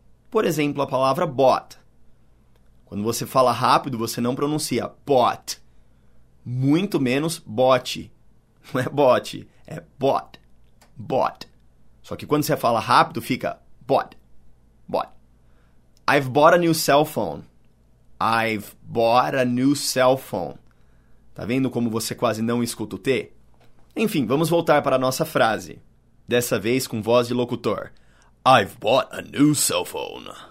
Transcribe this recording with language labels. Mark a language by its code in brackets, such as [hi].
[pt] Por exemplo, a palavra bought. Quando você fala rápido, você não pronuncia bought. Muito menos bought. Não é bot, é bot, bot. Só que quando você fala rápido, fica bot, bot. [en] I've bought a new cell phone. I've bought a new cell phone. [pt] Tá vendo como você quase não escuta o T? Enfim, vamos voltar para a nossa frase. Dessa vez com voz de locutor. [en] I've bought a new cell phone.